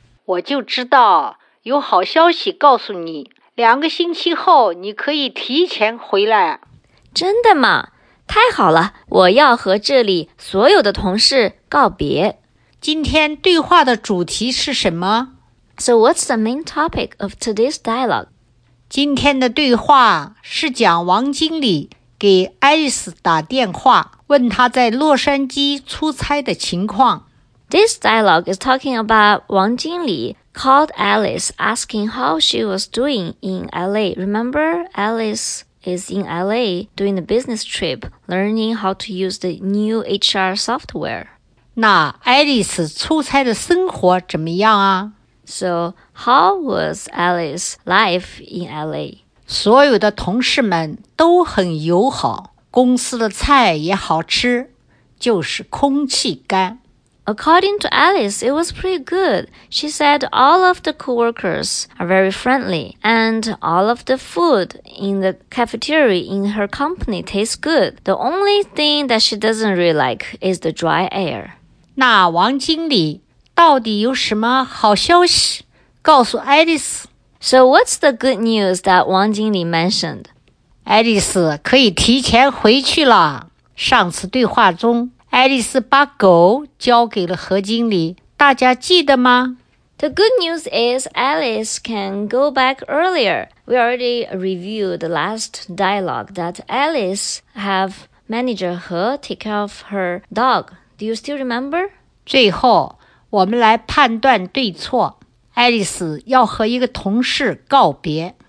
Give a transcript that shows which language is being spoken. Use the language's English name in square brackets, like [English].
[Chinese] 我就知道，有好消息告诉你，两个星期后你可以提前回来。真的吗？太好了，我要和这里所有的同事告别。今天对话的主题是什么？ [English] So what's the main topic of today's dialogue? [Chinese] 今天的对话是讲王经理给爱丽丝打电话，问她在洛杉矶出差的情况。 [English] This dialogue is talking about Wang Jingli called Alice asking how she was doing in LA. Remember, Alice is in LA doing a business trip, learning how to use the new HR software. [Chinese] 那 Alice 出差的生活怎么样啊? [English] So, how was Alice's life in LA? [Chinese] 所有的同事们都很友好,公司的菜也好吃,就是空气干。 [English] According to Alice, it was pretty good. She said all of the co-workers are very friendly, and all of the food in the cafeteria in her company tastes good. The only thing that she doesn't really like is the dry air. [Chinese] 那王经理到底有什么好消息告诉 Alice? [English] So what's the good news that Wang Jingli mentioned? [Chinese] Alice 可以提前回去了。上次对话中爱丽丝把狗交给了何经理，大家记得吗 [English] ？The good news is Alice can go back earlier. We already reviewed the last dialogue that Alice have manager 何 take care of her dog. Do you still remember? [Chinese] 最后，我们来判断对错。Alice 要和一个同事告别。